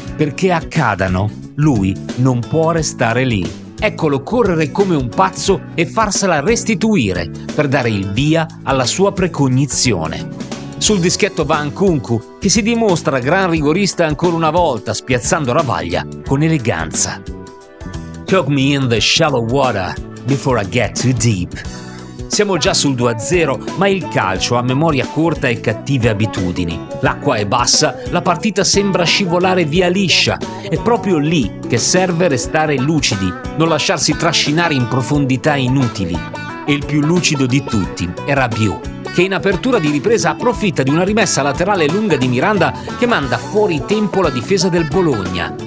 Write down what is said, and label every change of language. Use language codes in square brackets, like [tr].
[it] Perché accadano, lui non può restare lì. Eccolo correre come un pazzo e farsela restituire per dare il via alla sua precognizione. Sul dischetto va Nkunku, che si dimostra gran rigorista ancora una volta, spiazzando Ravaglia con eleganza. [en] Took me in the shallow water before I get too deep. [it] Siamo già sul 2-0, ma il calcio ha memoria corta e cattive abitudini. L'acqua è bassa, la partita sembra scivolare via liscia. È proprio lì che serve restare lucidi, non lasciarsi trascinare in profondità inutili. E il più lucido di tutti è Rabiot, che in apertura di ripresa approfitta di una rimessa laterale lunga di Miranda che manda fuori tempo la difesa del Bologna.